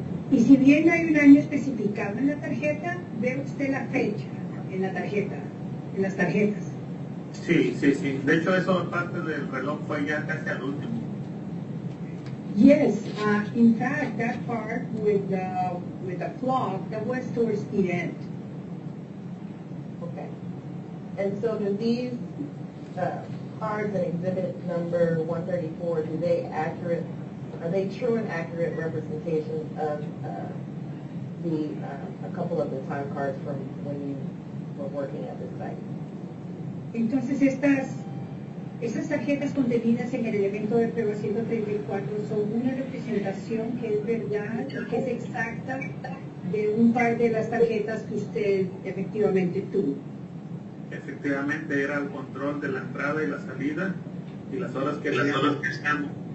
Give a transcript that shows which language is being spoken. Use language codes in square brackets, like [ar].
[es] Y si bien no hay un año especificado en la tarjeta, ¿ve usted la fecha en la tarjeta, en las tarjetas? Sí, sí, sí. De hecho, eso parte del reloj fue ya casi al último. [en] Yes, in fact, that part with the clock, that was towards the end. Okay. And so do these cards and exhibit number 134, do they accurate? Are they true and accurate representations of a couple of the time cards from when you were working at the site? [es] Entonces estas tarjetas contenidas en el elemento de prueba 134 son una representación que es verdad, que es exacta de un par de las tarjetas que usted efectivamente tuvo. Efectivamente era el control de la entrada y la salida y las horas que estamos.